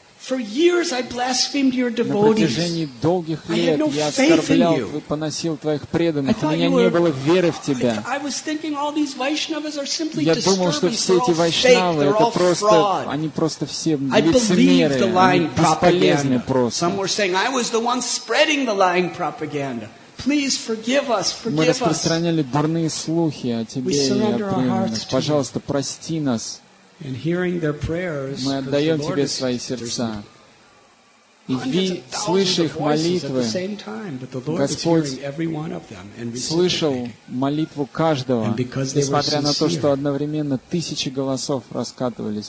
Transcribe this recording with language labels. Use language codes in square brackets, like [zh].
[en] For years I blasphemed your devotees. [ru] На протяжении долгих лет я оскорблял и поносил твоих преданных. У меня не было веры в тебя. Я думал, что все эти вайшнавы это просто, они просто все лицемеры, бесполезны просто. [en] Some were saying I was the one spreading the lying propaganda. Please forgive us, forgive us. [ru] Мы распространяли дурные слухи о тебе и о преданных. Пожалуйста, прости нас. [en] And hearing their prayers, [ru] мы отдаем тебе свои сердца. И слыша их молитвы, Господь слышал молитву каждого, несмотря на то, что одновременно тысячи голосов раскатывались